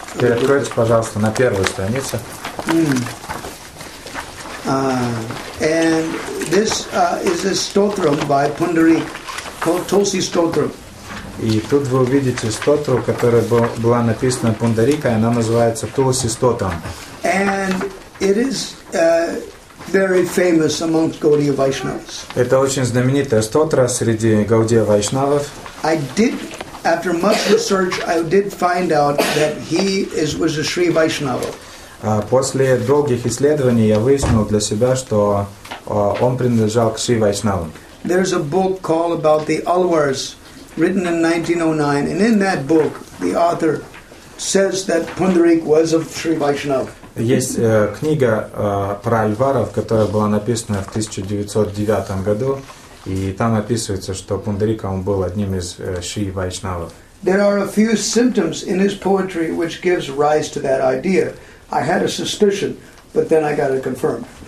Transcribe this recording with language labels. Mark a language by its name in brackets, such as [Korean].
[Russian] Переоткройте, пожалуйста, на первую страницу. [English] And this is a stotram by Pundarik. Tulsi Stotram. [Russian] И тут вы увидите стотру, которая была написана Пундарика, и она называется Тулси Стотрам. [English] And it is very famous amongst Gaudiya Vaishnavas. [Russian] Это очень знаменитая стотра среди Гаудия Вайшнавов. [English] I did, after much research, I did find out that was a Sri Vaishnava. [Russian] После долгих исследований я выяснил для себя, что он принадлежал к Шри Вайшнавам. [English] There's a book called About the Alwars, written in 1909, and in that book, the author says that Pundarik was of Sri Vaishnav. [Russian] Есть книга про Альваров, которая была написана в 1909 году, и там описывается, что Пундарик был одним из Шри Вайшнавов. [English] There are a few symptoms in his poetry which gives rise to that idea. I had a suspicion, but then I got it confirmed.